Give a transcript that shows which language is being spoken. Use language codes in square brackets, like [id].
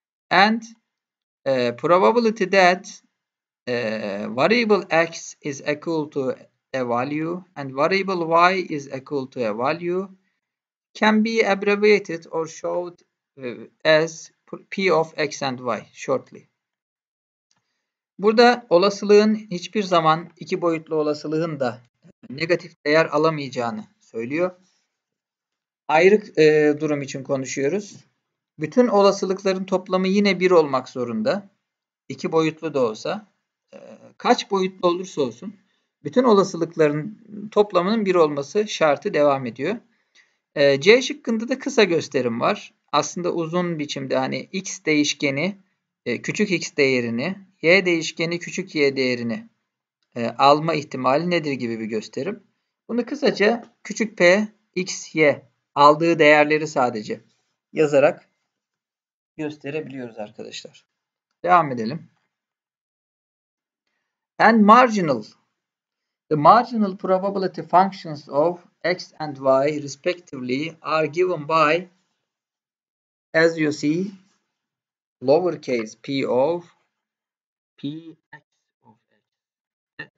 [en] And probability that variable X is equal to a value and variable Y is equal to a value can be abbreviated or showed as P of X and Y shortly. [tr] Burada olasılığın hiçbir zaman iki boyutlu olasılığın da negatif değer alamayacağını söylüyor. Ayrık durum için konuşuyoruz. Bütün olasılıkların toplamı yine bir olmak zorunda. İki boyutlu da olsa. Kaç boyutlu olursa olsun bütün olasılıkların toplamının bir olması şartı devam ediyor. C şıkkında da kısa gösterim var. Aslında uzun biçimde hani x değişkeni küçük x değerini, y değişkeni küçük y değerini alma ihtimali nedir gibi bir gösterim. Bunu kısaca küçük p, x, y aldığı değerleri sadece yazarak gösterebiliyoruz arkadaşlar. Devam edelim. [en] And marginal. The marginal probability functions of X and Y respectively are given by, as you see, lowercase p of P X of X.